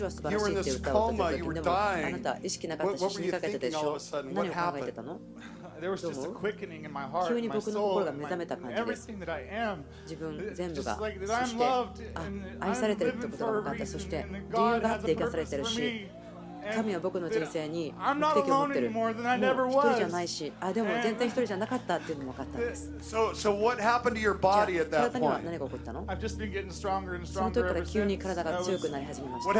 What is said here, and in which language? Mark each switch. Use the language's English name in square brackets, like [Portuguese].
[English] You were in this coma. You were dying. What were you thinking all of a sudden? What happened? There was just a quickening in my heart, my soul, everything that I am. Just like that I'm loved and I'm living for a reason. And God has a purpose for me. [Japanese] 神は僕の人生に目的を持っている。もう一人じゃないし、あ、でも全然一人じゃなかったっていうのも分かったんです。 [English] So what happened to your body at that point? [Japanese] 体には何が起こったの？ [English] I've just been getting stronger and stronger. [Japanese] その時から急に体が強くなり始めました。